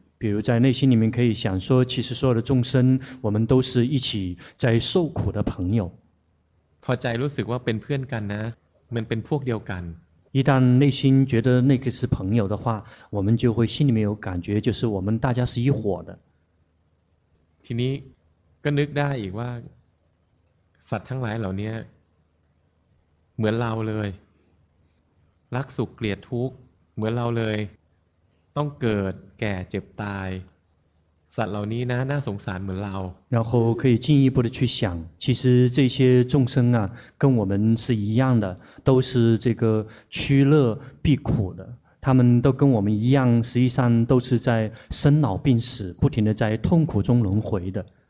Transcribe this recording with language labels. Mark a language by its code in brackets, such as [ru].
[zh] 比如在内心里面可以想说其实所有的众生我们都是一起在受苦的朋友 [th] พอใจรู้สึกว่าเป็นเพื่อนกันนะมันเป็นพวกเดียวกัน [zh] 一旦内心觉得那个是朋友的话我们就会心里面有感觉就是我们大家是一伙的 [th] ทีนี้ก็นึกได้อีกว่าสัตว์ทั้งหลายเหล่านี้เหมือนเราเลยรักสุขเกลียดทุกข์เหมือนเราเลยต้องเกิดแก่เจ็บตายสัตว์เหล่านี้นะน่าสงสารเหมือนเรา [zh] 然后可以进一步的去想其实这些众生啊跟我们是一样的都是这个趋乐避苦的他们都跟我们一样实际上都是在生老病死不停地在痛苦中轮回的